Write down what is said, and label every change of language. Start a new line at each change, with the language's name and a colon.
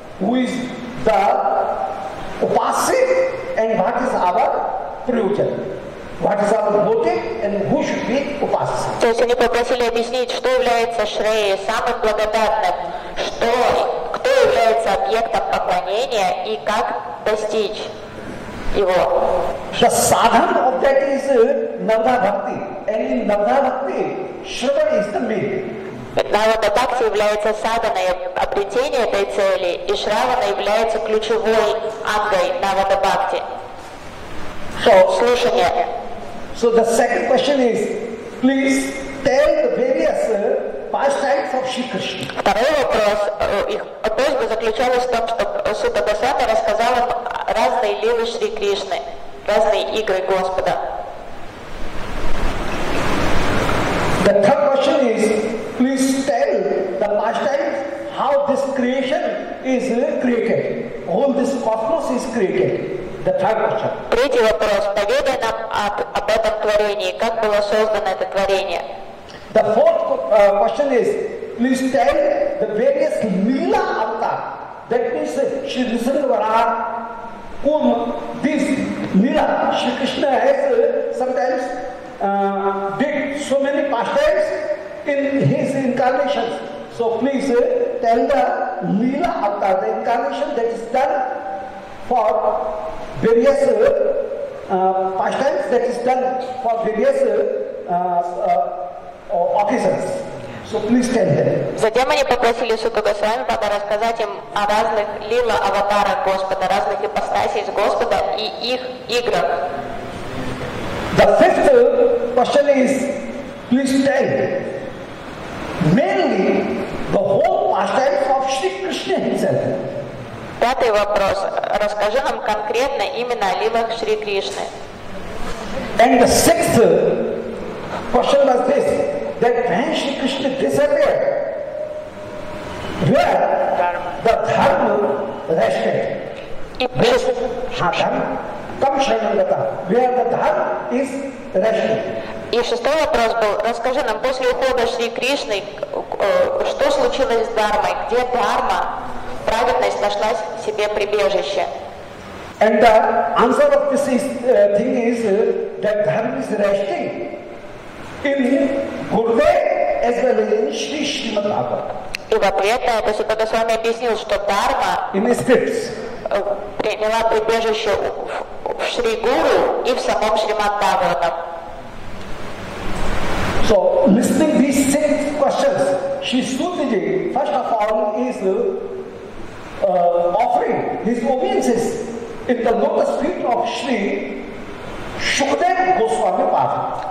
English: who is the upasit and what is our prayojan? What is our motive and who should be upasit?
Russian: То есть они попросили объяснить, что является Шреей, самым благодатным, что, кто является объектом поклонения и как достичь его.
English: The sadhana of that is Navda Bhakti. And in Navda Bhakti, Shrava is the main.
Russian: Навада Бхакти является саданой, обретение этой цели, и Шравана является ключевой ангой Навада Бхакти.
English: So,
Russian: слушание.
English: So the second question is, please tell the various pastimes of Shri Krishna.
Russian: Второй вопрос, их просьба заключалась в том, чтобы Сута Госвами рассказал им разные лилы Шри Кришны, разные игры Господа.
English: The third question is, please tell the pastimes how this creation is created. All this cosmos is created. The third question.
Russian: Третий вопрос. Поведай нам об этом творении. Как было создано это творение?
English: The fourth question is, please tell the various lila avatar. That means Shri Nisandavara, whom this lila, Shri Krishna has sometimes did so many pastimes in his incarnations. So please tell the lila avatar, the incarnation that is done for various pastimes, that is done for various occasions. So please tell them.
Russian: Затем они попросили Суту Госвами Пада рассказать им о разных лила аватарах Господа, разных ипостасях Господа и их играх.
English: The fifth question is, please tell mainly the whole pastimes of Shri Krishna himself.
Russian: Пятый вопрос. Расскажи нам конкретно именно о лилах Шри Кришны.
English: And the sixth question was this, that when Shri Krishna disappeared, Where the dharma rested.
Russian: И шестой вопрос был, расскажи нам, после ухода Шри Кришны, что случилось с дхармой, где дхарма, праведность нашла себе прибежище?
English: And the answer of this is, thing is, that dharma is resting in Gurve as well as in Shri Srimad Bhagavatam.
Russian: То есть когда с вами объяснил, что дхарма
English: in scripts.
Russian: Приняла прибежище в Шри Гуру и в самом Шримад Бхагаватам.
English: So, listening to these six questions, Shri Sutiji, first of all, is offering his obeisances in the lotus feet of Shri Shukadev Goswami Pada.